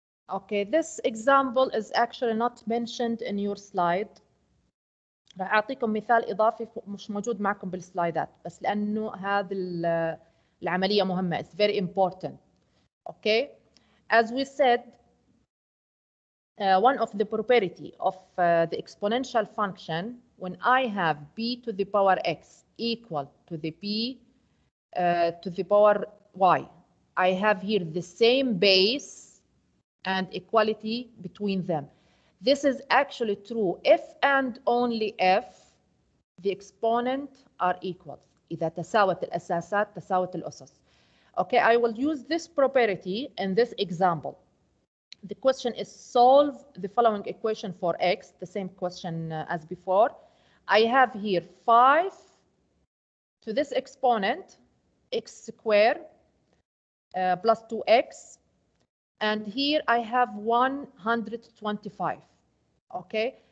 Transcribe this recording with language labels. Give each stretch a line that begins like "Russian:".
English: Okay, this example is actually not mentioned in your slide.
Arabic: راح أعطيكم مثال إضافي مش موجود معكم بالسلايدات، بس لأنه هذه العملية مهمة.
English: It's very important. Okay, as we said, one of the property of the exponential function, when I have b to the power x equal to the b to the power y, I have here the same base and equality between them. This is actually true if and only if the exponent are equal.
Arabic: إذا تساوت الأساسات تساوت الأسس.
English: Okay, I will use this property in this example. The question is solve the following equation for x, the same question as before. I have here 5 to this exponent, x squared plus 2x, and here I have 125, okay?